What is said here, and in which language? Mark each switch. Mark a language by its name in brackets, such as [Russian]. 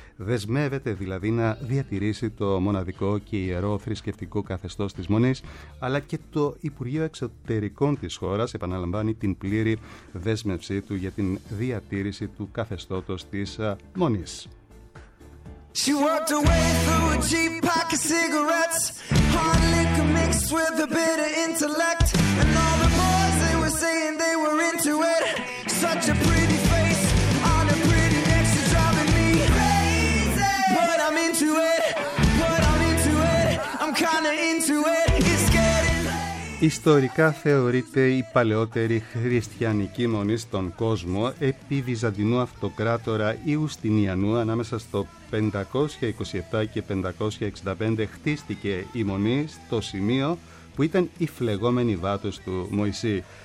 [Greek] Δεσμεύεται δηλαδή να διατηρήσει το μοναδικό και ιερό θρησκευτικό καθεστώς της Μονής, αλλά και το Υπουργείο Εξωτερικών της χώρας επαναλαμβάνει την πλήρη δέσμευσή του για την διατήρηση του καθεστώτος της Μονής. [English] She walked away through a cheap pack of cigarettes, hard liquor mixed with a bit of intellect, and all the boys they were saying they were into it. Such a pretty face on a pretty neck, she's driving me crazy, but I'm into it. But I'm into it. I'm kinda into it. [Greek] Ιστορικά θεωρείται η παλαιότερη χριστιανική μονή στον κόσμο επί Βυζαντινού Αυτοκράτορα Ιουστινιανού. Ανάμεσα στο 527 και 565 χτίστηκε η μονή στο σημείο που ήταν η φλεγόμενη βάτος του Μωυσή.